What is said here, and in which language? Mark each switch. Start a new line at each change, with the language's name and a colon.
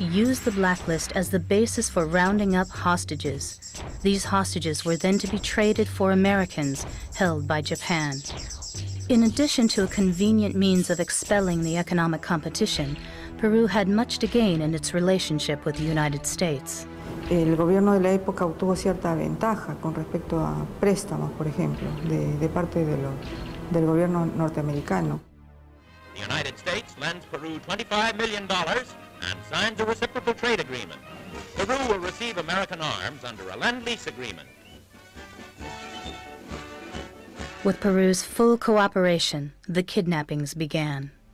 English: used the blacklist as the basis for rounding up hostages. These hostages were then to be traded for Americans held by Japan. In addition to a convenient means of expelling the economic competition, Peru had much to gain in its relationship with the United States.
Spanish: El gobierno de la época obtuvo cierta ventaja con respecto a préstamos, por ejemplo, de parte del gobierno norteamericano.
English: The United States lends Peru $25 million and signs a reciprocal trade agreement. Peru will receive American arms under a lend-lease agreement. With Peru's full cooperation, the kidnappings began.